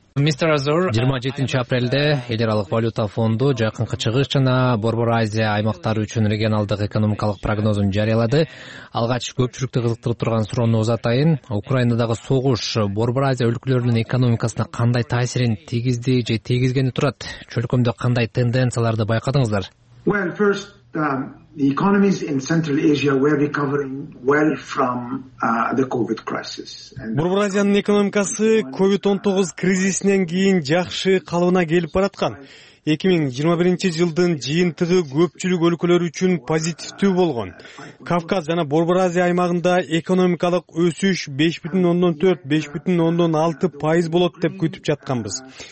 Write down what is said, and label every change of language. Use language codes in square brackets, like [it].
[ky] Мистер Азур, 27-апрелде эл аралык валюта фонду жакынкы чыгыш жана Борбор Азия аймактары үчүн регионалдык экономикалык прогнозун жарыялады. Алгач көпчүлүктү кызыктырып турган суроону узатайын. Украинадагы согуш Борбор Азия өлкөлөрүнүн экономикасына кандай таасирин тийгизди же тийгизгени турат? Чөлкөмдө кандай тенденцияларды байкадыңыздар? [en] The economies in Central Asia were recovering well from the COVID crisis. [ky] Борбор Азиянын экономикасы COVID-19 кризисинен кийин жакшы калыбына келип бараткан. 2021 жылдын жыйынтыгы көпчүлүк өлкөлөр үчүн позитивдүү болгон. Кавказ жана Борбор Азия аймагында экономикалык өсүш 5.4-5.6% болот деп күтүп жатканбыз.